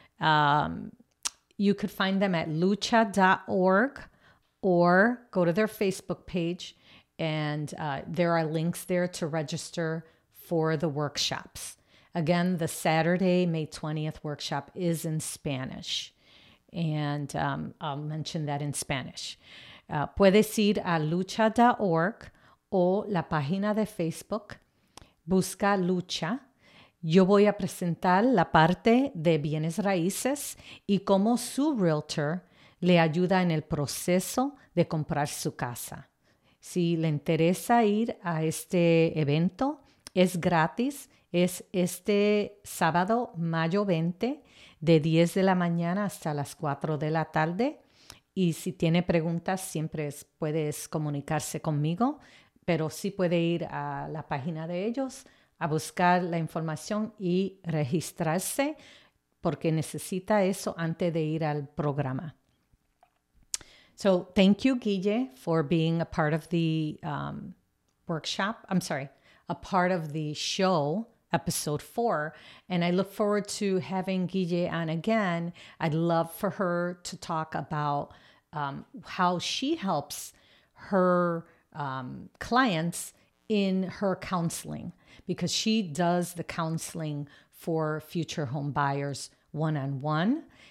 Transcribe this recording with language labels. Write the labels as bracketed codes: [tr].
[en] You could find them at lucha.org or go to their Facebook page. And there are links there to register for the workshops. Again, the Saturday, May 20th workshop is in Spanish. And I'll mention that in Spanish. [es] Puedes ir a lucha.org o la página de Facebook. Busca Lucha. Yo voy a presentar la parte de bienes raíces y cómo su realtor le ayuda en el proceso de comprar su casa. Si le interesa ir a este evento, es gratis. Es este sábado, mayo 20, de 10 de la mañana hasta las 4 de la tarde. Y si tiene preguntas, siempre puedes comunicarse conmigo. Pero sí puede ir a la página de ellos a buscar la información y registrarse, porque necesita eso antes de ir al programa. [en] So thank you, Guille, for being a part of the a part of the show, episode 4. And I look forward to having Guille on again. I'd love for her to talk about how she helps her clients in her counseling, because she does the counseling for future home buyers one-on-one.